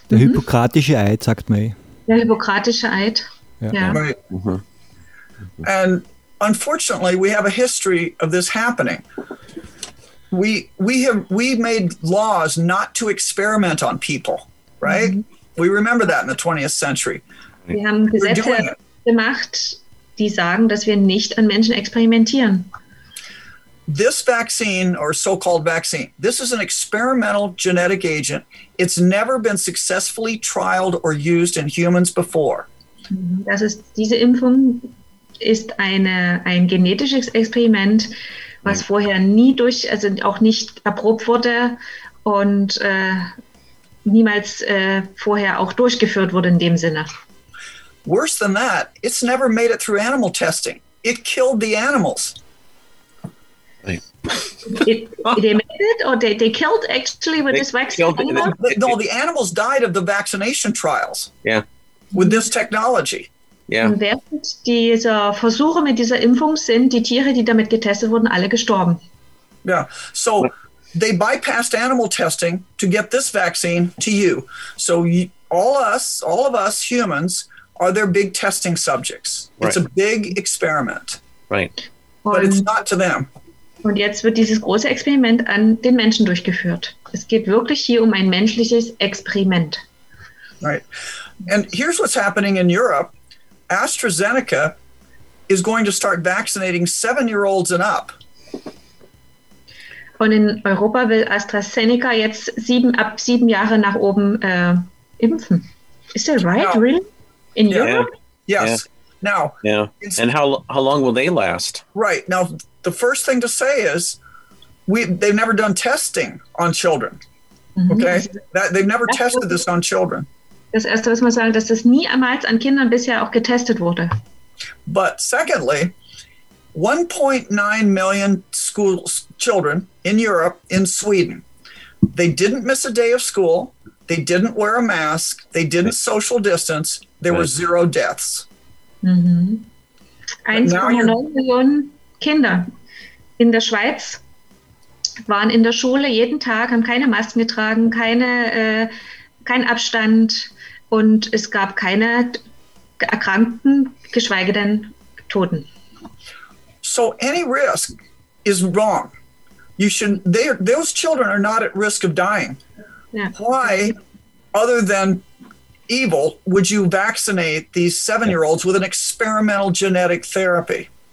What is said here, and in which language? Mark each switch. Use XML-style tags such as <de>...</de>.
<de>Der mm-hmm. Hippokratische Eid, sagt May. Der Hippokratische Eid, ja.</de> <en>Right. Mm-hmm. And unfortunately, we have a history of this happening. We made laws not to experiment on people, right? Mm-hmm. We remember that in the 20th century.</en> <de>Wir haben Gesetze gemacht, die sagen, dass wir nicht an Menschen experimentieren.</de> <en>This vaccine, or so-called vaccine, this is an experimental genetic agent. It's never been successfully trialed or used in humans before.</en> <de>Das ist, diese Impfung ist ein genetisches Experiment, was vorher nie durch, also auch nicht erprobt wurde und niemals vorher auch durchgeführt wurde in dem Sinne.</de> <en>Worse than that, it's never made it through animal testing. It killed the animals. They killed actually with this vaccine? No, the animals died of the vaccination trials. Yeah. With this technology.</en> <de>Während dieser Versuche mit dieser Impfung sind die Tiere, die damit getestet wurden, alle gestorben.</de> <en>Yeah. So they bypassed animal testing to get this vaccine to you. So all of us humans are their big testing subjects. Right. It's a big experiment. Right. But it's not to them.</en> <de>Und jetzt wird dieses große Experiment an den Menschen durchgeführt. Es geht wirklich hier um ein menschliches Experiment.</de> <en>Right. And here's what's happening in Europe. AstraZeneca is going to start vaccinating 7-year-olds and up.</en> <de>Und in Europa will AstraZeneca jetzt ab sieben Jahre nach oben impfen.</de> <en>Is that right, now, really? In Europe? Yes. Yeah. Now. Yeah. And how long will they last? Right. Now, the first thing to say is they've never done testing on children. Mm-hmm. Okay? They've never tested this on children.</en> <de>Das Erste, was man sagen, dass das niemals an Kindern bisher auch getestet wurde.</de> <en>But secondly, 1.9 million school children in Europe, in Sweden, they didn't miss a day of school, they didn't wear a mask, they didn't social distance, there were zero deaths. Mm-hmm.</en> <de>1,9 Millionen Kinder in der Schweiz waren in der Schule jeden Tag, haben keine Masken getragen, kein Abstand. Und es gab keine Erkrankten, geschweige denn Toten.</de> <en>So any risk is wrong. You should, those children are not at risk of dying. Yeah. Why, other than evil, would you vaccinate these 7-year-olds with an experimental genetic therapy?</en>